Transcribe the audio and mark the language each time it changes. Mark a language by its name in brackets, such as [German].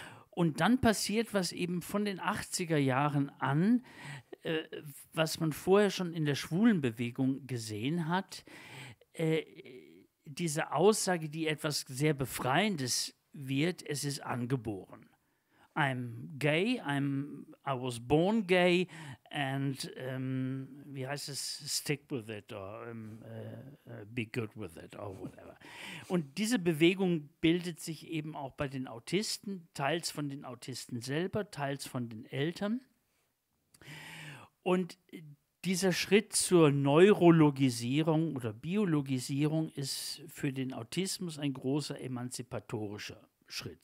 [German] Und dann passiert, was eben von den 80er Jahren an, was man vorher schon in der Schwulenbewegung gesehen hat, diese Aussage, die etwas sehr Befreiendes wird, es ist angeboren. [English] I'm gay, I was born gay and, [German] wie heißt es, [English] stick with it or be good with it or whatever. [German] Und diese Bewegung bildet sich eben auch bei den Autisten, teils von den Autisten selber, teils von den Eltern. Und dieser Schritt zur Neurologisierung oder Biologisierung ist für den Autismus ein großer emanzipatorischer Schritt.